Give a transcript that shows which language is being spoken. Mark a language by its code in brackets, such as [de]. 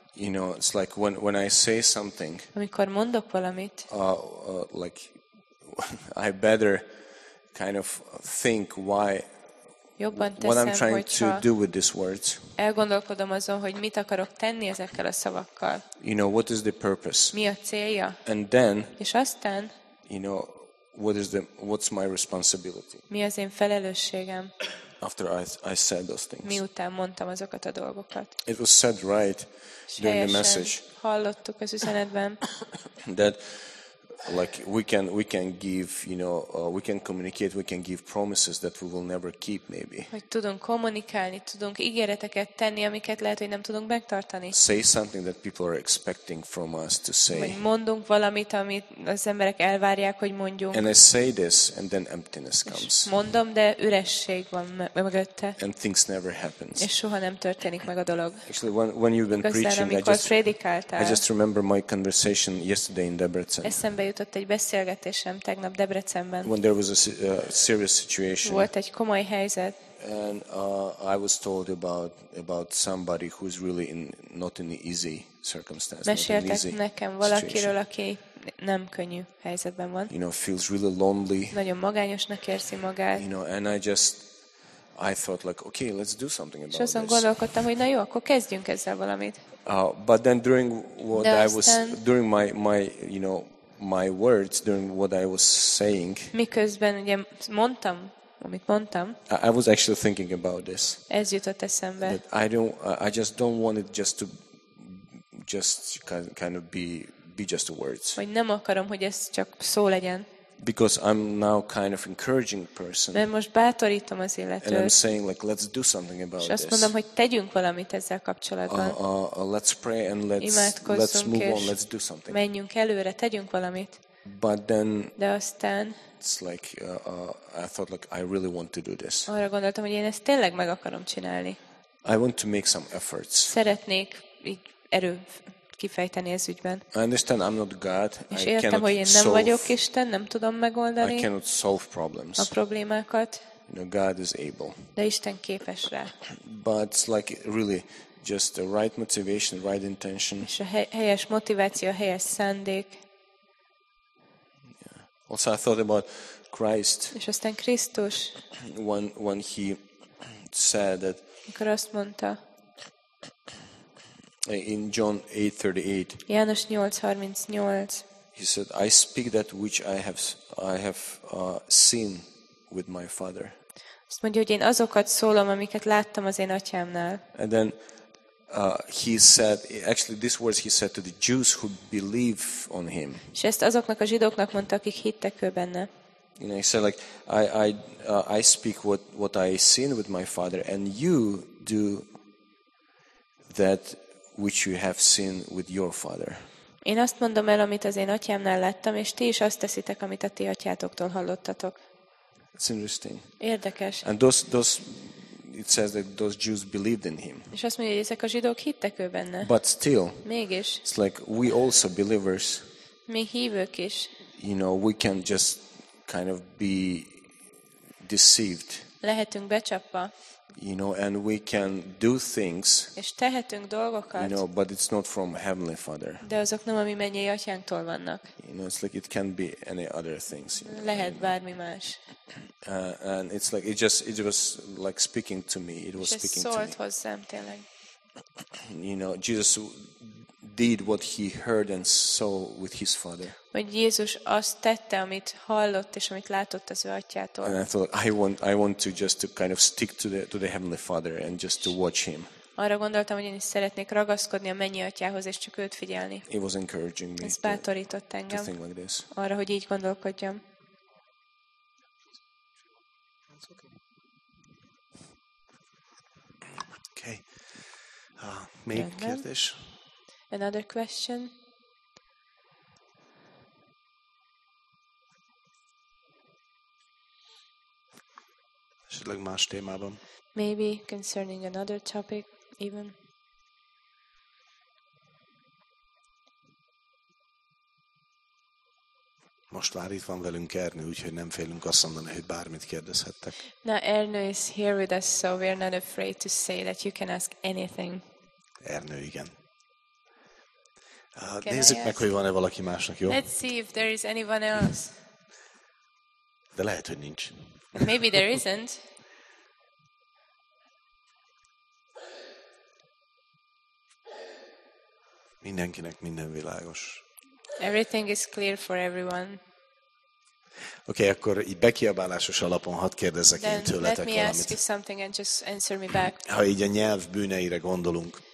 [en] You know, it's like when I say something. [hu] Amikor mondok valamit. [en] Like I better kind of think why. [hu] Jobban teszem, [en] what I'm trying to do with these words. [hu] Elgondolkodom azon, hogy mit akarok tenni ezekkel a szavakkal. [en] You know, what is the purpose? [hu] Mi a célja? [en] And then, [hu] és aztán, [en] you know, what's my responsibility? [hu] Mi az én felelősségem? [en] After I said those things. [hu] Miután mondtam azokat a dolgokat. [en] It was said right during the message. [hu] Hallottuk az üzenetben. [en] That like we can give, you know, we can communicate, we can give promises that we will never keep, maybe. [hu] Hogy tudunk kommunikálni, tudunk ígéreteket tenni, amiket lehet, hogy nem tudunk megtartani. [en] Say something that people are expecting from us to say. [hu] Vagy mondunk valamit, amit az emberek elvárják, hogy mondjunk. [en] And I say this, and then emptiness comes. [hu] Mondom, de üresség van mögötte. [en] And things never happens. [hu] És soha nem történik meg a dolog. [en] Actually, when you've been preaching, I just remember my conversation yesterday in Debrecen. [hu] Bejutott egy beszélgetésem tegnap Debrecenben. [en] When there was a serious situation. [hu] Volt egy komoly helyzet. [en] And I was told about somebody who is really in not in the easy circumstances. [hu] Meséltek nekem valakiről, aki nem könnyű helyzetben van. [en] You know, feels really lonely. [hu] Nagyon magányosnak érzi magát. [en] You know, and I thought like, okay, let's do something about this. [hu] És azon gondolkodtam, hogy na jó, akkor kezdjünk ezzel valamit. [en] But then during what I was during my you know my words during what I was saying. [hu] Miközben ugye mondtam. Amit mondtam, [en] I was actually thinking about this. [hu] Ez jutott eszembe. [en] I just don't want it just to just kind of be just the words. [hu] Vagy nem akarom, hogy ez csak szó legyen. [en] Because I'm now kind of encouraging person. [hu] Mert most bátorítom az illetőt. [en] And I'm saying like let's do something about this. [hu] És azt mondom, hogy tegyünk valamit ezzel kapcsolatban. [en] Let's pray and let's move on, let's do something. [hu] Menjünk előre, tegyünk valamit. [en] But then [hu] de aztán, [en] it's like I thought like I really want to do this. [hu] Arra gondoltam, hogy én ezt tényleg meg akarom csinálni. [en] I want to make some efforts. [hu] Szeretnék így erőt kifejteni ez ügyben. [en] I understand I'm not God. [hu] És értem, hogy én nem vagyok Isten, nem tudom megoldani. [en] I cannot solve problems. [hu] A problémákat. [en] You know, God is able. [hu] De Isten képes rá. [en] But it's like really just the right motivation, right intention. [hu] És a helyes motiváció, a helyes szándék. [en] Also I thought about Christ. [hu] És aztán Krisztus. [en] When he said that. [hu] Mikor azt mondta. [en] In John 8:38. [hu] János 8:38. [en] He said, I speak that which I have seen with my father. [hu] Azt mondja, hogy én azokat szólom, amiket láttam az én atyámnál. [en] And then he said, actually these words he said to the Jews who believe on him. [hu] És ezt azoknak a zsidóknak mondta, akik hittek ő benne. [en] You know, he said like, I speak what I seen with my father, and you do that which you have seen with your father. [hu] Én azt mondom el, amit az én atyámnál láttam, és ti is azt teszitek, amit a ti atyátoktól hallottatok. [en] It's interesting. [hu] Érdekes. [en] And those it says that those Jews believed in him. [hu] És azt mondja, hogy ezek a zsidók hittek ő benne. [en] But still. [hu] Mégis. [en] It's like we also believers. [hu] Mi hívők is. [en] You know, we can just kind of be deceived. [hu] Lehetünk becsapva. [en] You know, and we can do things. [hu] És tehetünk dolgokat. [en] You know, but it's not from Heavenly Father. [hu] De azok nem a mi mennyei atyánktól vannak. [en] You know, it's like it can be any other things. You know, [hu] lehet bármi más. [en] And it's like it was like speaking to me. It was speaking to me. [hu] Szólt hozzám tényleg. [en] You know, Jesus did what he heard and saw with his father. [hu] Vagy Jézus azt tette, amit hallott és amit látott az ő atyától. [en] And I thought I want to just to kind of stick to the Heavenly Father and just to watch him. [hu] Arra gondoltam, hogy én is szeretnék ragaszkodni a mennyi atyához és csak őt figyelni. [en] It was encouraging me. [hu] Ez bátorított engem. [en] To think like this. [hu] Arra, hogy így gondolkodjam. Okay. Még Rendben. Kérdés. [en] Another question. [hu] Esetleg más témában. [en] Maybe concerning another topic even. [hu] Most már itt van velünk Ernő, úgyhogy nem félünk azt mondani, hogy bármit kérdezhettek. [en] Now Ernő is here with us, so we're not afraid to say that you can ask anything. [hu] Ernő, igen. Nézzük meg, hogy van-e valaki másnak, jó? [en] Let's see if there is anyone else. [hu] De lehet, hogy nincs. [en] Maybe there isn't. [hu] Mindenkinek minden világos. [en] Everything is clear for everyone. [hu] Okay, akkor így bekiabálásos alapon hadd kérdezzek én tőletek valamit. [en] Then let me ask you something and just answer me back. [hu] Ha így a nyelv bűneire gondolunk.